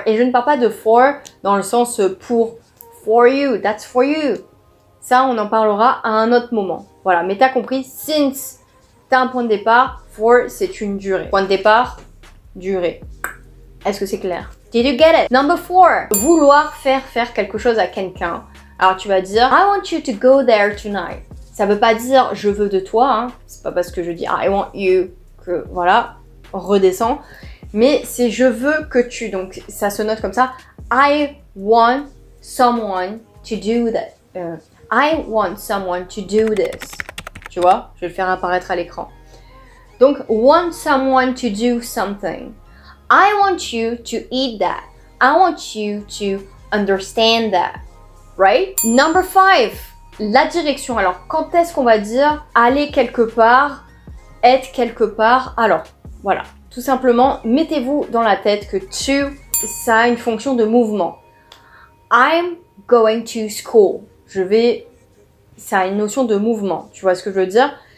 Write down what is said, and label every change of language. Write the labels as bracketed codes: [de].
[fr] Et je ne parle pas de for dans le sens pour. [en] For you, that's for you. [fr] Ça, on en parlera à un autre moment. Voilà, mais t'as compris, since, t'as un point de départ, for, c'est une durée. Point de départ, durée. Est-ce que c'est clair? [en] Did you get it? Number four, [fr] vouloir faire quelque chose à quelqu'un. Alors tu vas dire, [en] I want you to go there tonight. [fr] Ça veut pas dire je veux de toi, hein. C'est pas parce que je dis [en] I want you [fr] que voilà, redescends. Mais c'est je veux que tu, donc ça se note comme ça. [en] I want someone to do that. I want someone to do this. [fr] Tu vois, je vais le faire apparaître à l'écran. [en] Donc, want someone to do something. I want you to eat that. I want you to understand that. Right? Number five, [fr] la direction. Alors, quand est-ce qu'on va dire aller quelque part, être quelque part? Alors, voilà. Tout simplement, mettez-vous dans la tête que to, ça a une fonction de mouvement. [en] I'm going to school. [fr] Je vais, ça a une notion de mouvement. Tu vois ce que je veux dire?